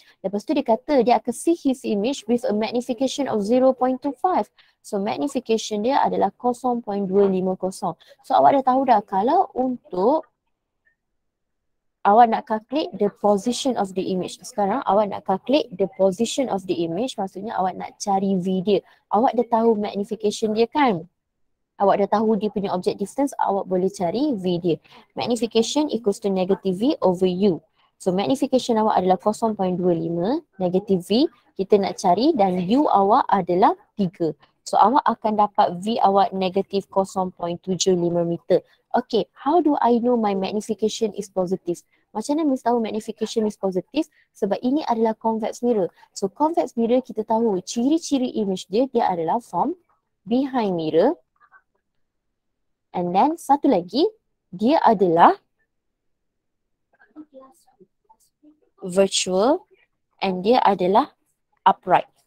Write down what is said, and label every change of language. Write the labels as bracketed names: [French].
[Malay] Lepas tu dia kata dia akan [English] see his image with a magnification of 0.25. [Malay] So magnification dia adalah 0.250. So awak dah tahu dah kalau untuk awak nak [English] calculate the position of the image. [Malay] Sekarang awak nak [English] calculate the position of the image, [Malay] maksudnya awak nak cari V dia. Awak dah tahu magnification dia kan? Awak dah tahu dia punya object distance, awak boleh cari V dia. [English] Magnification equals to negative V over U. [Malay] So magnification awak adalah 0.25, negative V, kita nak cari dan U awak adalah 3. So awak akan dapat V awak negative 0.75 meter. [English] Okay, how do I know my magnification is positive? [Malay] Macam mana Miss tahu [English] magnification is positive? [Malay] Sebab ini adalah convex mirror. So convex mirror kita tahu ciri-ciri image dia, dia adalah [English] form behind mirror. [Malay] And then satu lagi, dia adalah virtual and dia adalah upright.